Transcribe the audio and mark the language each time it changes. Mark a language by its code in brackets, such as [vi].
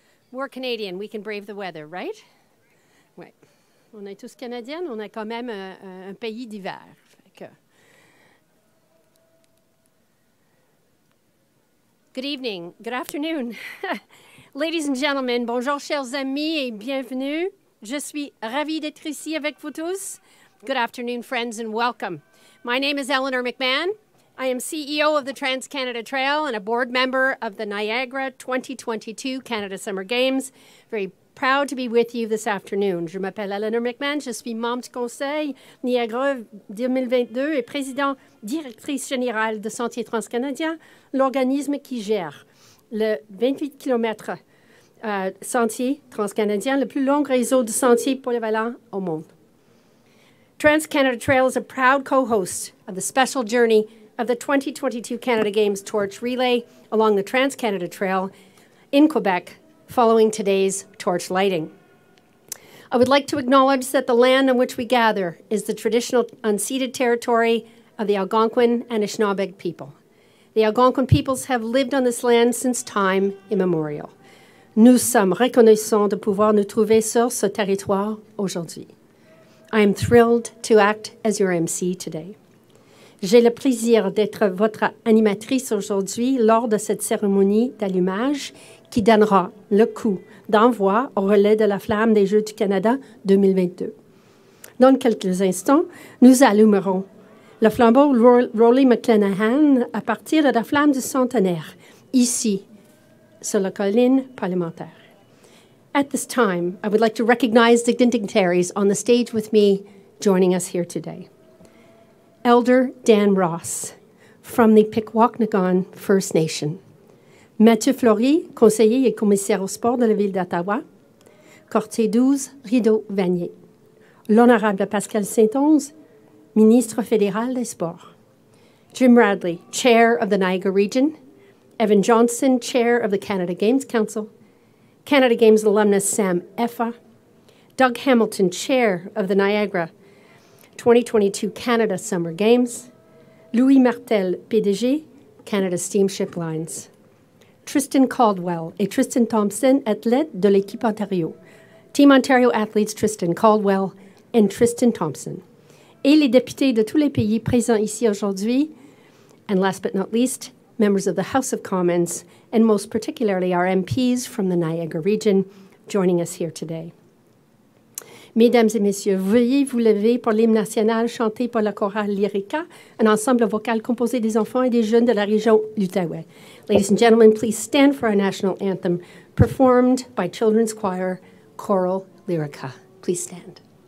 [en] We're Canadian, we can brave the weather, right? [fr] Ouais. On est tous Canadiens, on a quand même un pays d'hiver. [en] Good evening, good afternoon. Ladies and gentlemen, [fr] bonjour chers amis et bienvenue. Je suis ravie d'être ici avec vous tous. [en] Good afternoon, friends, and welcome. My name is Eleanor McMahon. I am CEO of the Trans-Canada Trail and a board member of the Niagara 2022 Canada Summer Games. Very proud to be with you this afternoon. [fr] Je m'appelle Eleanor McMahon, je suis membre du conseil Niagara 2022 et présidente directrice générale de Sentier Transcanadien, l'organisme qui gère le 28 km sentier transcanadien, le plus long réseau de sentiers polyvalents au monde. [en] Trans-Canada Trail is a proud co-host of the special journey of the 2022 Canada Games Torch Relay along the Trans-Canada Trail in Quebec following today's torch lighting. I would like to acknowledge that the land on which we gather is the traditional unceded territory of the Algonquin and Anishinaabeg people. The Algonquin peoples have lived on this land since time immemorial. [fr] Nous sommes reconnaissants de pouvoir nous trouver sur ce territoire aujourd'hui. [en] I am thrilled to act as your MC today. [fr] J'ai le plaisir d'être votre animatrice aujourd'hui lors de cette cérémonie d'allumage qui donnera le coup d'envoi au relais de la flamme des Jeux du Canada 2022. Dans quelques instants, nous allumerons le flambeau Roly McLenahan à partir de la flamme du centenaire, ici, sur la colline parlementaire. [en] At this time, I would like to recognize the dignitaries on the stage with me joining us here today. Elder Dan Ross, from the Pickwocknagon First Nation. [fr] Mathieu Fleury, conseiller et commissaire au sport de la ville d'Ottawa. Quartier 12, Rideau Vanier. L'honorable Pascal Saint-Onze, ministre fédéral des sports. [en] Jim Radley, chair of the Niagara Region. Evan Johnson, chair of the Canada Games Council. Canada Games alumnus Sam Effa. Doug Hamilton, chair of the Niagara 2022 Canada Summer Games, Louis Martel, PDG, Canada Steamship Lines, Tristan Caldwell et Tristan Thompson, [fr] athlètes de l'équipe Ontario, [en] Team Ontario athletes Tristan Caldwell and Tristan Thompson, [fr] et les députés de tous les pays présents ici aujourd'hui, [en] and last but not least, members of the House of Commons, and most particularly our MPs from the Niagara Region, joining us here today. [fr] Mesdames et messieurs, veuillez vous lever pour l'hymne national chanté par la chorale Lyrica, un ensemble vocal composé des enfants et des jeunes de la région d'Outaouais. [en] Ladies and gentlemen, please stand for our national anthem performed by Children's Choir, Choral Lyrica. Please stand.